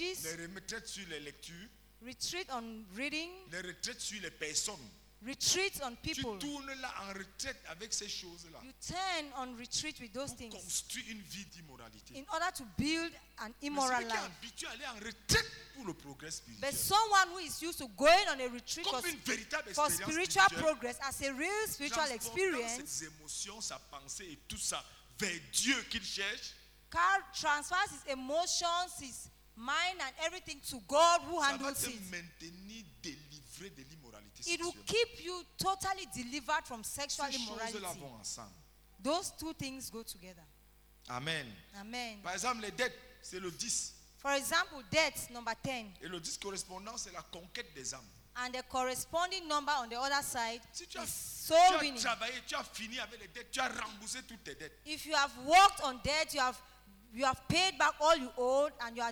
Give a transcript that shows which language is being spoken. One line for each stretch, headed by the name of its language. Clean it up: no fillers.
French: La retraite sur les lectures.
English: Retreat on reading.
French: La retraite sur les personnes.
English: Retreat on people.
French: Tu tournes là en retraite avec ces choses-là.
English: You turn on retreat with those
French: pour
English: things.
French: Construire une vie d'immoralité.
English: In order to build an immoral life.
French: Mais celui qui est habitué à aller en retraite pour le progrès spirituel.
English: But someone who is used to going on a retreat
French: comme une véritable
English: for spiritual progress as a real spiritual experience.
French: Ses émotions, sa pensée et tout ça. Vers Dieu qu'il cherche.
English: Car transfers his emotions, his mind and everything to God who handles it.
French: Ça va te maintenir délivré de l'immoralité sexuelle.
English: It will keep you totally delivered from sexual immorality.
French: Ces choses-là vont ensemble.
English: Those two things go together.
French: Amen.
English: Amen.
French: Par exemple, les dettes, c'est le 10.
English: For example, debts, number 10.
French: Et le 10 correspondant, c'est la conquête des âmes.
English: And the corresponding number on the other side
French: si tu as,
English: is soul
French: tu as
English: winning.
French: Travaillé, tu as fini avec les dettes, tu as remboursé toutes tes dettes.
English: If you have worked on debt, you have paid back all you owed and you are